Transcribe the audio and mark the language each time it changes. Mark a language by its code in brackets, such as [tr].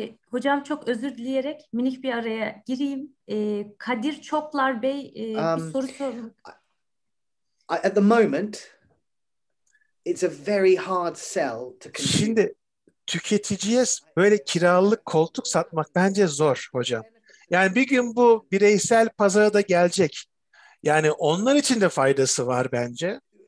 [tr] Hocam çok özür dileyerek minik bir araya gireyim. Kadir Çoklar Bey bir soru sormak. [en] At the moment it's a very hard sell to consume. [tr] Şimdi tüketiciye böyle kiralık koltuk satmak bence zor hocam. Yani bir gün bu bireysel pazara da gelecek. Yani onlar için de faydası var bence.